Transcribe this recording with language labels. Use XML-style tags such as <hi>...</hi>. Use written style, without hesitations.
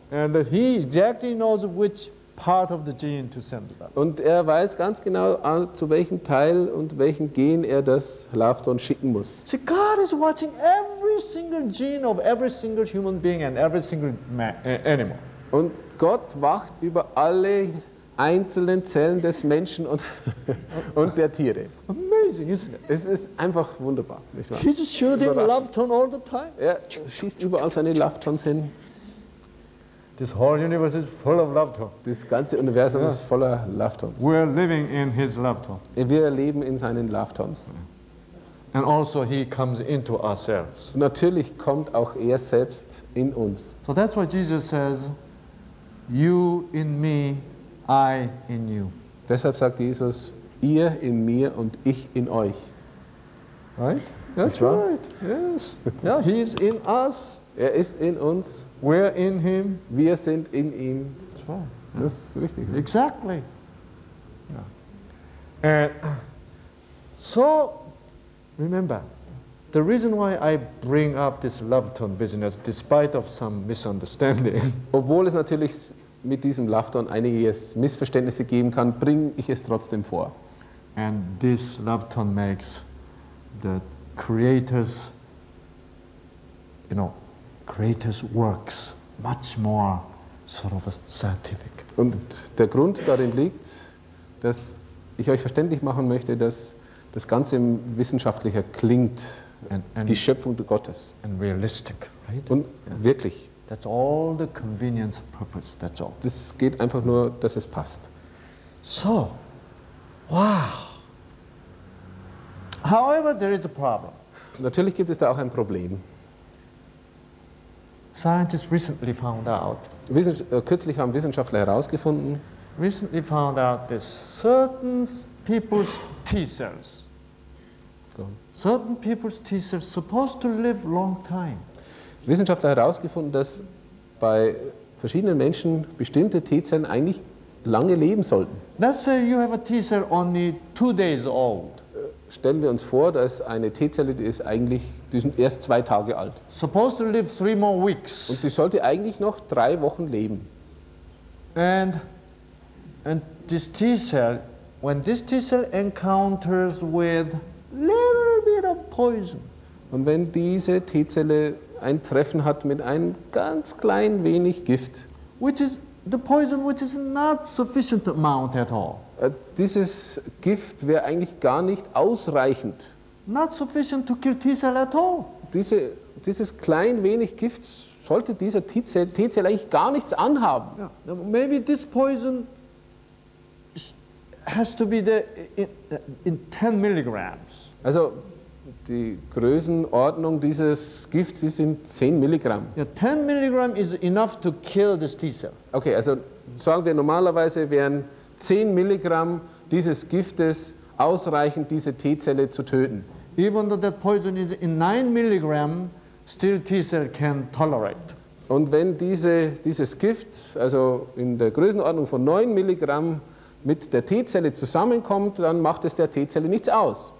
<en>And he exactly knows which part of the gene to send that.</en> <de>Und weiß ganz genau, zu welchem Teil und welchem Gen das Lafton schicken muss.</de> <en>See, God is watching every single gene of every single human being and every single animal.</en> <de>Und Gott wacht über alle einzelnen Zellen des Menschen und und der Tiere.</de> <en>Amazing, isn't it?</en> <de>Es ist einfach wunderbar, nicht wahr?</de> <en>He's shooting Lafton all the time.</en> <de>Er schießt überall seine Laftons hin.</de> <en>This whole universe is full of love tones.</en> <de>Das ganze Universum ist voller love tones.</de> <en>We are living in his love tone.</en> <de>Wir leben in seinen love tones.</de> <en>And also he comes into ourselves.</en> <de>Natürlich kommt auch selbst in uns.</de> <en>So that's why Jesus says, you in me, I in you.</en> <de>Deshalb sagt Jesus, ihr in mir und ich in euch.</de> <en>Right? That's right. Yes. Yeah, he is in us.</en> <de>Er ist in uns.</de> <en>We're in him.</en> <de>Wir sind in ihm.</de> <en>Right.</en> <de>Das ist wichtig.</de> <en>Exactly. Yeah. And so, remember, the reason why I bring up this love tone business, despite of some misunderstanding.</en> <de>Obwohl es natürlich mit diesem love tone einiges Missverständnisse geben kann, bringe ich es trotzdem vor.</de> <en>And this love tone makes the creators, you know, creators works much more sort of scientific.</en> <de>Und der Grund darin liegt, dass ich euch verständlich machen möchte, dass das Ganze wissenschaftlicher klingt, and die Schöpfung Gottes.</de> <en>And realistic, right?</en> <de>Und wirklich.</de> <en>That's all the convenience purpose, that's all.</en> <de>Das geht einfach nur, dass es passt.</de> <en>So, wow. However, there is a problem.</en> <de>Natürlich gibt es da auch ein Problem.</de> <en>Scientists recently found out.</en> <de>Kürzlich haben Wissenschaftler herausgefunden.</de> <en>Recently found out that certain people's T cells. Certain people's T cells supposed to live long time.</en> <de>Wissenschaftler herausgefunden, dass bei verschiedenen Menschen bestimmte T-Zellen eigentlich lange leben sollten.</de> <en>Let's say you have a T cell only 2 days old.</en> <de>Stellen wir uns vor, dass eine T-Zelle, die ist eigentlich, die sind erst 2 Tage alt.</de> <en>Supposed to live 3 more weeks.</en> <de>Und die sollte eigentlich noch 3 Wochen leben.</de> <en>And this T-Cell, when this T-Cell encounters with little bit of poison.</en> <de>Und wenn diese T-Zelle ein Treffen hat mit einem ganz klein wenig Gift.</de> <en>Which is the poison which is not sufficient amount at all.</en> <de>Dieses Gift wäre eigentlich gar nicht ausreichend.</de> <en>Not sufficient to kill T-Cell at all.</en> <de>Dieses klein wenig Gift sollte dieser T-Zell eigentlich gar nichts anhaben.</de> <en>Yeah. Maybe this poison has to be there in 10 milligrams.</en> <de>Also die Größenordnung dieses Gifts ist in 10 Milligramm.</de> <en>Yeah, 10 Milligramm is enough to kill this T-Cell.</en> <de>Okay, also sagen wir normalerweise wären 10 Milligramm dieses Giftes ausreichend, diese T-Zelle zu töten.</de> <en>Even though that poison is in 9 Milligramm, still T-Cell can tolerate.</en> <de>Und wenn dieses Gift, also in der Größenordnung von 9 Milligramm, mit der T-Zelle zusammenkommt, dann macht es der T-Zelle nichts aus.</de>